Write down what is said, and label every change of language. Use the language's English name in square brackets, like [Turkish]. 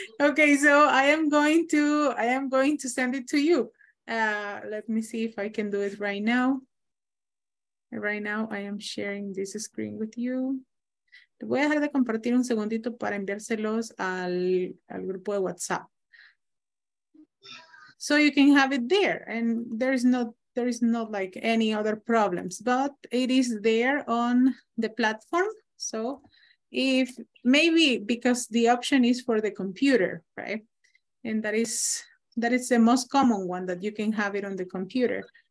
[English] Okay, so I am going to send it to you. Let me see if I can do it right now. Right now I am sharing this screen with you. [Spanish] Te voy a dejar de compartir un segundito para enviárselos al grupo de WhatsApp. [English] So you can have it there, and there is not like any other problems, but it is there on the platform. So if maybe because the option is for the computer, right? And that is the most common one, that you can have it on the computer.